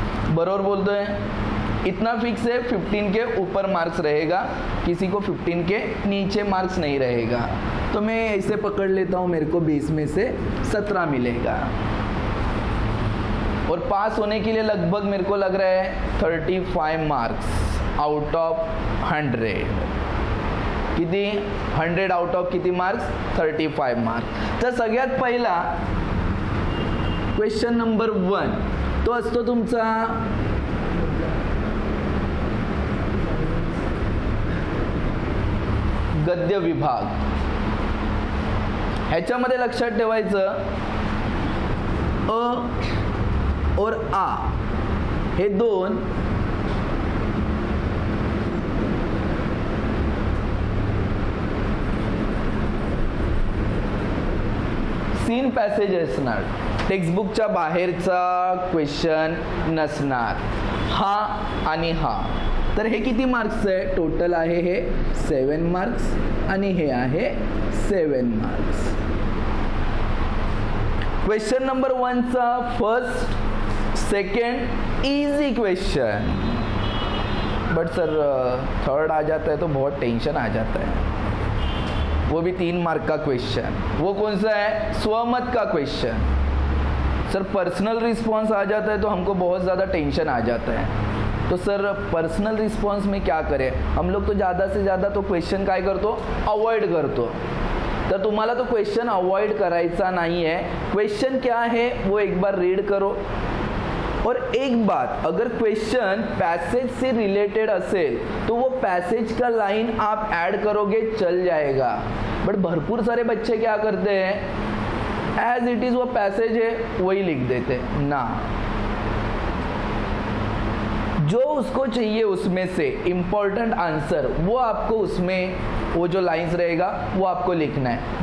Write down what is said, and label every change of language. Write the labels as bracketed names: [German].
[Hindi] बरोबर बोलते हैं, इतना फिक्स है 15 के ऊपर मार्क्स रहेगा, किसी को 15 के नीचे मार्क्स नहीं रहेगा। तो मैं ऐसे पकड़ लेता हूँ मेरे को 20 में से 17 मिलेगा और पास होने के लिए लगभग मेरे को लग रहा है 35 मार्क्स आउट ऑफ 100। [Marathi] किती 100 आउट ऑफ किती मार्क्स, 35 मार्क्स। तर सगळ्यात पहिला क्वेश्चन नंबर 1 तो असतो तुमचा गद्य विभाग। ह्याच्यामध्ये लक्षात ठेवायचं अ और आ हे दोन सीन पॅसेज असणार, टेक्स्टबुकच्या बाहेरचा क्वेश्चन नसणार, हा आणि हा। तर हे किती मार्क्स आहे, टोटल आहे हे 7 मार्क्स आणि हे आहे 7 marks. [Hindi] Question number 1चा [English] first second easy question, but sir third [Hindi] आ जाता है तो बहुत टेंशन आ जाता है, वो भी 3 मार्क का क्वेश्चन। वो कौन सा है, स्वमत का क्वेश्चन। सर पर्सनल रिस्पॉन्स आ जाता है तो हमको बहुत ज़्यादा टेंशन आ जाता है, तो सर पर्सनल रिस्पॉन्स में क्या करें, हम लोग तो ज़्यादा से ज़्यादा तो क्वेश्चन [Marathi] काय करतो, अवॉइड करतो। तर तुम्हाला तो क्वेश्चन अवॉइड करायचा नाही आहे, [Hindi] क्वेश्चन क्या है वो एक बार रीड करो। और एक बात, अगर क्वेश्चन पैसेज से रिलेटेड असेल तो वो पैसेज का लाइन आप ऐड करोगे चल जाएगा, बट भरपूर सारे बच्चे क्या करते हैं [English] as it is [Hindi] वो पैसेज है वही लिख देते हैं। ना, जो उसको चाहिए उसमें से इम्पोर्टेंट आंसर वो आपको उसमें वो जो लाइंस रहेगा वो आपको लिखना है।